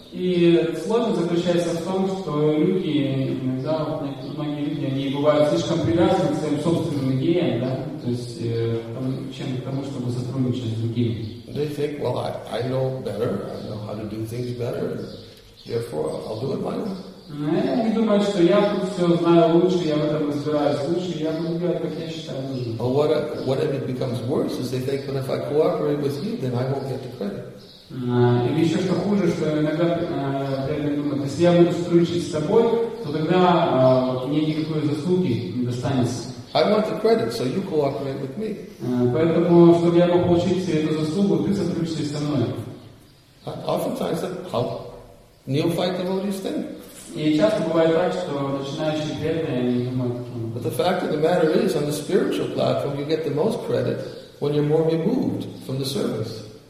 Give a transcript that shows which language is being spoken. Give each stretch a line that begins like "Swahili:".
Russian: И сложность заключается в том, что люди иногда, многие люди, они бывают слишком привязаны к своим собственным идеям, да, то есть чем к тому, чтобы сотрудничать с другими.
English: They think, well, I know better, I know how to do things better, therefore I'll do it my way.
Russian: Они думают, что я тут все знаю лучше, я в этом разбираюсь лучше, я буду делать, как я считаю нужным.
English: But what if it becomes worse is they think, but if I cooperate with you, then I won't get the credit.
Russian: Или еще что хуже, что иногда реально думают, если я буду сотрудничать с тобой, то тогда мне никакой заслуги не достанется.
English: I want the credit, so you cooperate with me.
Russian: Поэтому, чтобы я мог получить эту заслугу, ты сотрудничай со мной.
English: Oftentimes, how neophyte devotees think.
Russian: И часто бывает так, что начинающие преданные думают.
English: But the fact of the matter is, on the spiritual platform, you get the most credit when you're more removed from the service.